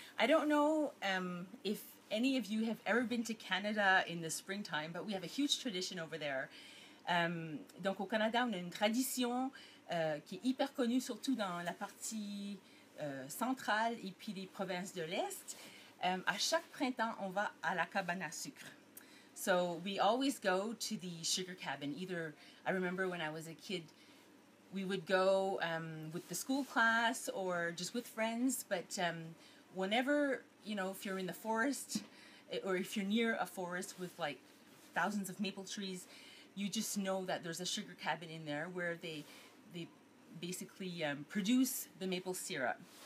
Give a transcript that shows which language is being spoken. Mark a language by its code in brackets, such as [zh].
[en] I don't know if any of you have ever been to Canada in the springtime, but we have a huge tradition over there. [fr] Donc, au Canada, on a une tradition qui est hyper connue, surtout dans la partie centrale et puis les provinces de l'Est. À chaque printemps, on va à la cabane à sucre. [en] So we always go to the sugar cabin. Either, I remember when I was a kid, we would go with the school class or just with friends. But whenever, you know, if you're in the forest or if you're near a forest with like thousands of maple trees, you just know that there's a sugar cabin in there where they basically produce the maple syrup.